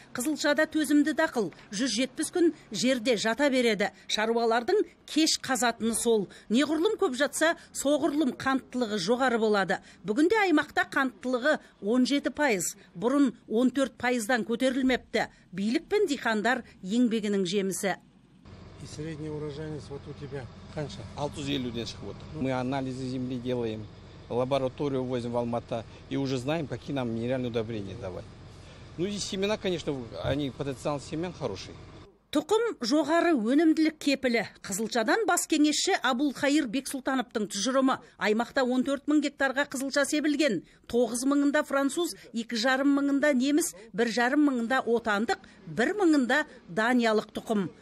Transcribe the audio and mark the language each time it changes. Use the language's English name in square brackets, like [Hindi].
[Kazakh] Қызылшада төзімді дақыл, 170 күн жерде жата береді. Шаруалардың кеш қазатыны сол. Неғұрлым көп жатса, соғұрлым қанттылығы жоғары болады. Бүгінде аймақта қанттылығы 17%, бұрын 14%-дан көтерілмепті. Билік пен диқандар еңбегінің жемісі. [Russian] И средний урожайность вот у тебя [Kazakh] қанша? 650-ден шығып отыр. [Russian] Мы анализы земли делаем, лабораторию возим в Алматы и уже знаем, какие нам минеральные удобрения давать. Ну и семена, конечно, они потенциал семян хороший. [Kazakh] Тұқым жоғары өнімділік кепілі. Қызылшадан бас кеңесші Абулхайыр Бексұлтановтың тұжырымы. Аймақта 14 мың гектарға қызылша себілген. 9 мыңында француз, 2,5 мыңында неміс, 1,5 мыңында отандық, 1 мыңында даниялық тұқым.